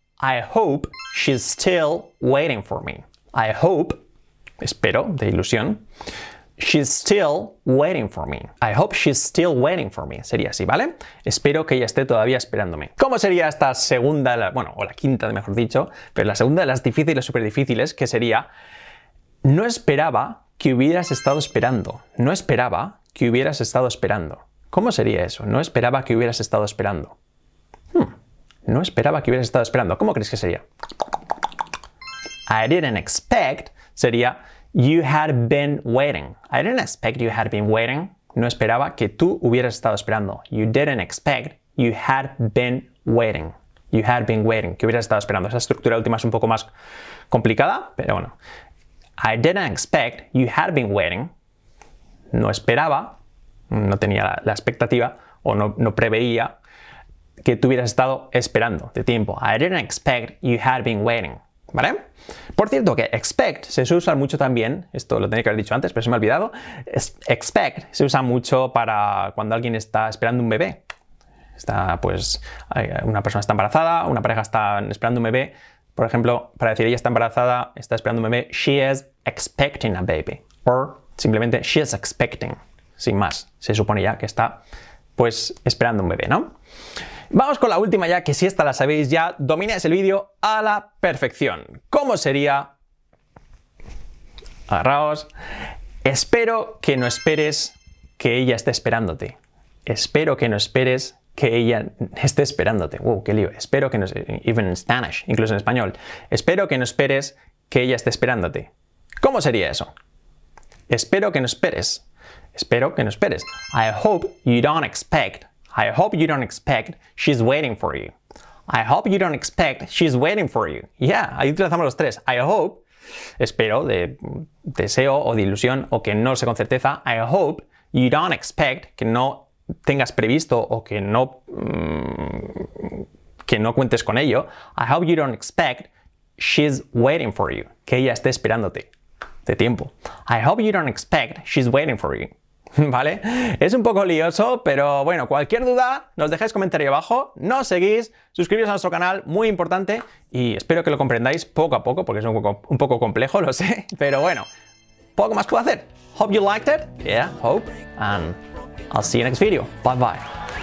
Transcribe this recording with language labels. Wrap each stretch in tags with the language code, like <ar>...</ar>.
<en>I hope she's still waiting for me. I hope,</en> <es>espero, de ilusión,</es> <en>she's still waiting for me. I hope she's still waiting for me.</en> <es>Sería así, ¿vale? Espero que ella esté todavía esperándome. ¿Cómo sería esta segunda, bueno, o la quinta, mejor dicho, pero la segunda de las difíciles, súper difíciles, que sería, no esperaba que hubieras estado esperando. No esperaba que hubieras estado esperando. ¿Cómo sería eso? No esperaba que hubieras estado esperando. No esperaba que hubieras estado esperando. ¿Cómo crees que sería?</es> <en>I didn't expect sería you had been waiting. I didn't expect you had been waiting.</en> <es>No esperaba que tú hubieras estado esperando.</es> <en>You didn't expect you had been waiting. You had been waiting.</en> <es>Que hubieras estado esperando. Esa estructura última es un poco más complicada, pero bueno.</es> <en>I didn't expect you had been waiting.</en> <es>No esperaba, no tenía la expectativa, o no preveía que tú hubieras estado esperando de tiempo.</es> <en>I didn't expect you had been waiting.</en> <es>¿Vale? Por cierto, que expect se usa mucho también, esto lo tenía que haber dicho antes, pero se me ha olvidado. Expect se usa mucho para cuando alguien está esperando un bebé. Está, pues, una persona está embarazada, una pareja está esperando un bebé. Por ejemplo, para decir ella está embarazada, está esperando un bebé,</es> <en>she is expecting a baby.</en> <es>O simplemente,</es> <en>she is expecting,</en> <es>sin más. Se supone ya que está, pues, esperando un bebé, ¿no? Vamos con la última ya, que si esta la sabéis ya, domináis el vídeo a la perfección. ¿Cómo sería? Agarraos. Espero que no esperes que ella esté esperándote. Espero que no esperes que ella esté esperándote. ¡Wow! ¡Qué lío! Espero que no...</es> <en>Even in Spanish,</en> <es>incluso en español. Espero que no esperes que ella esté esperándote. ¿Cómo sería eso? Espero que no esperes. Espero que no esperes.</es> <en>I hope you don't expect. I hope you don't expect she's waiting for you. I hope you don't expect she's waiting for you.</en> <es>Yeah, ahí utilizamos los tres.</es> <en>I hope,</en> <es>espero, de deseo o de ilusión o que no sé con certeza.</es> <en>I hope you don't expect,</en> <es>que no tengas previsto o que no cuentes con ello.</es> <en>I hope you don't expect she's waiting for you.</en> <es>Que ella esté esperándote de tiempo.</es> <en>I hope you don't expect she's waiting for you.</en> <es>¿Vale? Es un poco lioso, pero bueno, cualquier duda, nos dejáis comentario abajo, nos seguís, suscribiros a nuestro canal, muy importante, y espero que lo comprendáis poco a poco, porque es un poco complejo, lo sé, pero bueno, poco más puedo hacer.</es> <en>Hope you liked it. Yeah, hope. And I'll see you next video. Bye bye.</en>